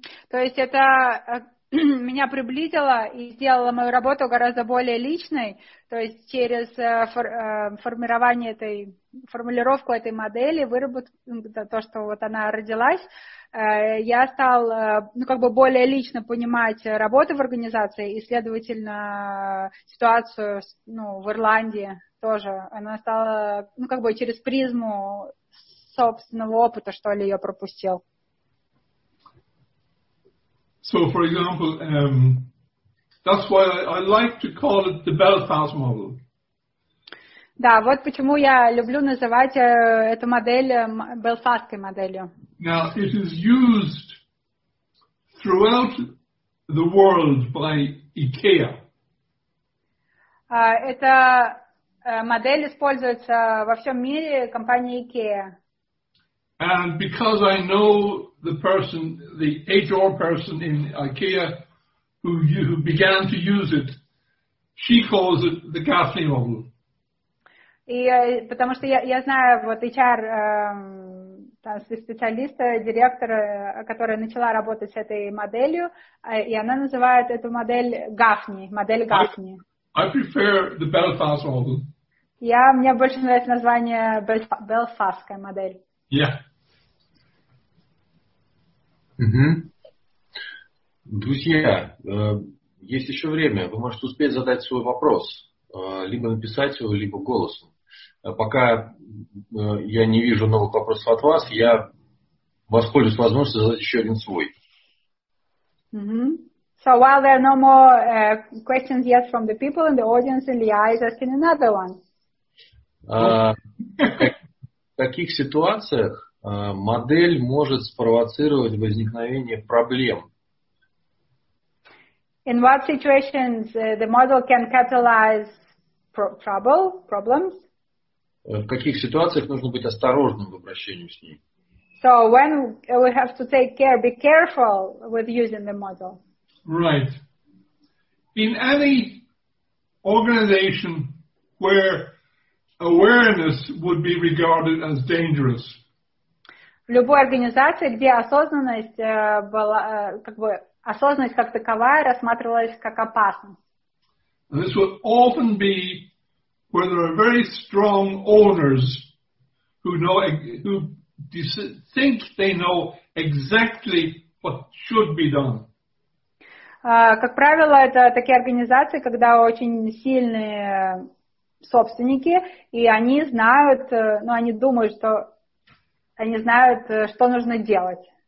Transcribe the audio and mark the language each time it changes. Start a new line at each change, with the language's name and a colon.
Russian: То есть это меня приблизило и сделало мою работу гораздо более личной, то есть через формирование этой, формулировку этой модели, выработку, то, что вот она родилась, я стал, ну, как бы более лично понимать работу в организации и, следовательно, ситуацию, ну, в Ирландии тоже. Она стала, ну, как бы через призму собственного опыта, что ли, ее пропустил.
English: So, for example, that's why I like to call it the Belfast model.
Russian: Да, вот почему я люблю называть эту модель белфастской моделью.
English: Now, it is used throughout the world by IKEA.
Russian: Эта модель используется во всем мире компанией IKEA.
English: And because I know the person, the HR person in IKEA, who began to use it, she calls it the Gaffney model.
Russian: И потому что я знаю вот HR там специалиста, директора, которая начала работать с этой моделью, и она называет эту модель Гафни, модель Гафни.
English: I prefer the Belfast model.
Russian: Мне больше нравится название Белфастская модель.
English: Yeah.
Russian: Угу. Друзья, есть еще время. Вы можете успеть задать свой вопрос, либо написать его, либо голосом. Пока я не вижу новых вопросов от вас, я воспользуюсь возможностью задать еще один свой. Угу.
English: So while there are no more questions yet from the people in the audience, Илья is asking another one.
Russian: В каких ситуациях модель может спровоцировать возникновение проблем?
English: In what situations the model can catalyze trouble, problems?
Russian: В каких ситуациях нужно быть осторожным в обращении с ней?
English: So when we have to take care, be careful with using the model. Right. In any organization where awareness would be regarded as dangerous.
Russian: В любой организации, где осознанность была, как бы осознанность как таковая рассматривалась как опасность.
English: This would often be where there are very strong owners who know, who think they know exactly what should be done.
Russian: Как правило, это такие организации, когда очень сильные собственники, и они знают, ну, они думают, что они знают, что нужно делать.